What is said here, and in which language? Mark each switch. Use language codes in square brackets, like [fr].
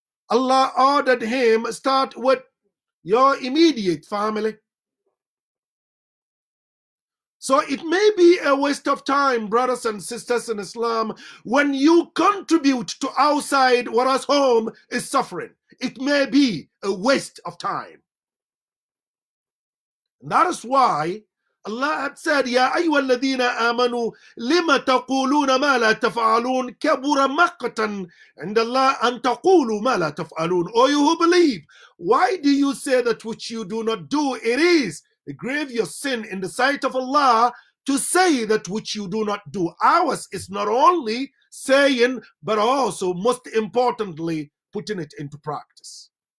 [en] Allah ordered him, start with your immediate family. So it may be a waste of time, brothers and sisters in Islam, when you contribute to outside, whereas home is suffering. It may be a waste of time. And that is why Allah had said, [ar] يَا أَيُّوَا الَّذِينَ آمَنُوا لِمَ تَقُولُونَ مَا لَا تَفْعَلُونَ كَبُرَ مَقْتًا عِنْدَ اللَّهِ أَن تَقُولُوا مَا لَا تَفْعَلُونَ. [en] O you who believe, why do you say that which you do not do? It is a grievous sin in the sight of Allah to say that which you do not do. Ours is not only saying, but also, most importantly, putting it into practice.